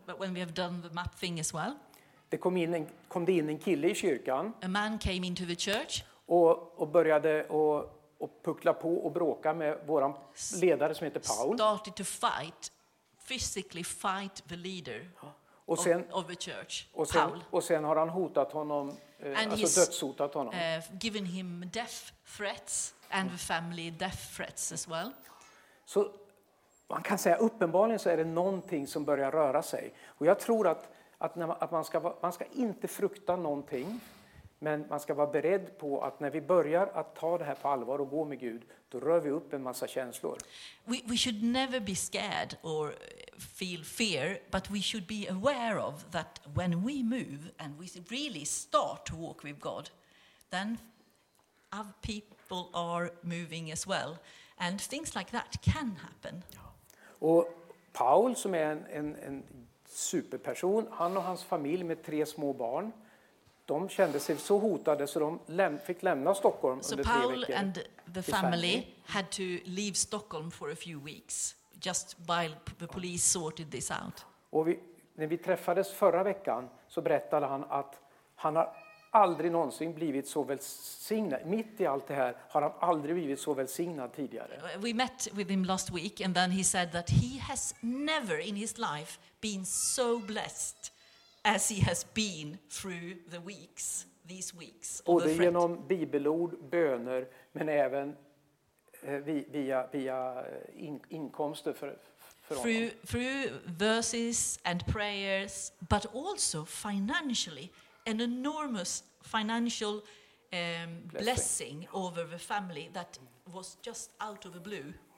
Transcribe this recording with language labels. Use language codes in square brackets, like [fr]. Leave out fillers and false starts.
[en] But when we have done the map thing as well. [sv] Det kom in en kille i kyrkan. [en] A man came into the church. [sv] Och började och puckla på och bråka med våran ledare som heter Paul. [en] Started to fight, physically fight the leader. [sv] och sen, [en] of the church, [sv] och sen, Paul. Och sen har han hotat honom, alltså dödshotat honom. [en] Given him death threats and the family death threats as well. [sv] Så man kan säga uppenbarligen så är det någonting som börjar röra sig. Och jag tror att, att, när man, att man, ska va, man ska inte frukta någonting. Men man ska vara beredd på att när vi börjar att ta det här på allvar och gå med Gud, då rör vi upp en massa känslor. [en] We should never be scared or feel fear, but we should be aware of that when we move and we really start to walk with God, then other people are moving as well. And things like that can happen. [sv] Och Paul, som är en superperson, han och hans familj med 3 små barn, de kände sig så hotade så de fick lämna Stockholm under 3 veckor. [en] So Paul and the family had to leave Stockholm for a few weeks just while the police sorted this out. [sv] Och när vi träffades förra veckan så berättade han att han har aldrig någonsin blivit så välsignad. Mitt i allt det här har han aldrig blivit så välsignad tidigare. [en] We met with him last week and then he said that he has never in his life been so blessed as he has been through the weeks, these weeks. [sv] Både genom bibelord, böner, men även via inkomster för [en] through verses and prayers, but also financially, an enormous financial blessing over the family that was just out of the blue.